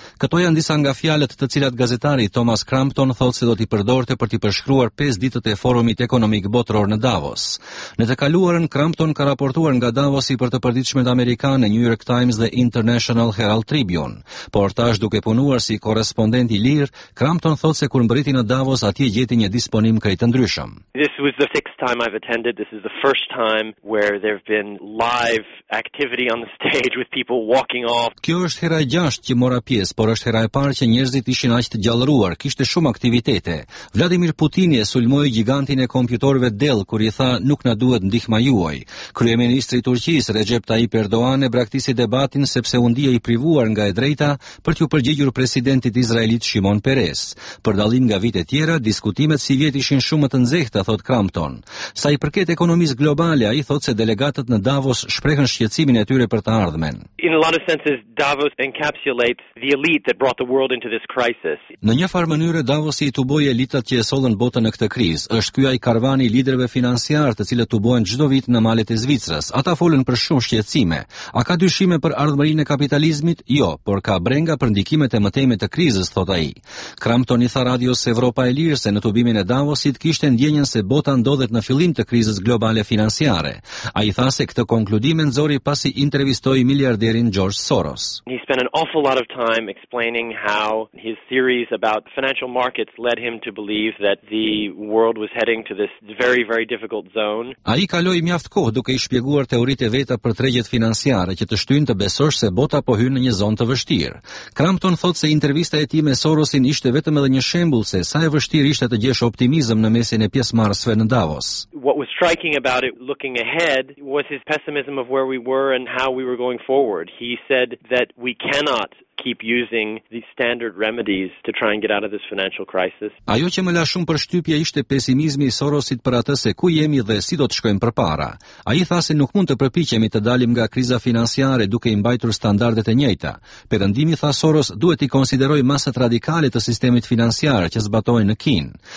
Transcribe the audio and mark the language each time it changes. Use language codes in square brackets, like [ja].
[sq] Këto janë disa nga fjalët të cilat gazetari Thomas Crampton thotë se do t'i përdorte për t'i përshkruar 5 ditët e forumit ekonomik botëror në Davos. Në të kaluarën, Crampton ka raportuar nga Davos i për të përditshmet amerikane New York Times dhe International Herald Tribune. Por tash duke punuar si korrespondent i lirë, Crampton thotë se kur mbriti në Davos, atje gjeti një disponim krejt të ndryshëm. [en] This was the sixth time I've attended. This is the first time where there've been live activity on the stage with people walking off. [sq] Kjo është hera 6 që mora pjesë, por është hera e parë që njerëzit ishin aq të gjallëruar, kishte shumë aktivitete. Vladimir Putini e sulmoi gigantin e kompjuterëve Dell kur i tha nuk na duhet ndihma juaj. Kryeministri i Turqisë Recep Tayyip Erdogan e braktisi debatin sepse u ndiej i privuar nga e drejta për t'u përgjigjur presidentit izraelit Shimon Peres. Për dallim nga vitet tjera, diskutimet si vjet ishin shumë të nxehta, thot Crampton. Sa i përket ekonomisë globale, ai thot se delegatët në Davos shprehën shqetësimin e tyre për të ardhmen. [en] In a lot of senses Davos encapsulates the elite that brought the world into this crisis. [sq] Në një farë mënyrë Davosi i tuboi elitat që e sollën botën në këtë krizë. Është ky ai karvani i liderëve financiar të cilët tubohen çdo vit në malet e Zvicrës. Ata folën për shumë shqetësime. A ka dyshime për ardhmërinë e kapitalizmit? Jo, por ka brenga për ndikimet e mëtejme të krizës, thot ai. Crampton i tha radios Evropa e Lirë se në tubimin e Davosit kishte ndjenjën se bota ndodhet në fillim të krizës globale financiare. Ai tha se këtë konkludim Zori pasi intervistoi miliarderin George Soros. [en] He spent an awful lot of time explaining how his theories about financial markets led him to believe that the world was heading to this very very difficult zone. [sq] Ai kaloi mjaft kohë duke i shpjeguar teoritë e veta për tregjet financiare që të shtynë të besosh se bota po hyn në një zonë të vështirë. Crampton thotë se intervista e tij me Sorosin ishte vetëm edhe një shembull se sa e vështirë ishte të gjesh optimizëm në mesin e pjesëmarrësve në Davos. [en] What was striking about it looking ahead was his pessimism of where we were and how we were going forward. He said that we cannot keep using the standard remedies to try and get out of this financial crisis. [sq] Ajo që më la shumë përshtypje ishte pesimizmi i Sorosit për atë se ku jemi dhe si do të shkojmë përpara. Ai tha se nuk mund të përpiqemi të dalim nga kriza financiare duke i mbajtur standardet e njëjta. Perëndimi, tha Soros, duhet i konsideroj masat radikale të sistemit financiar që zbatojnë në Kinë.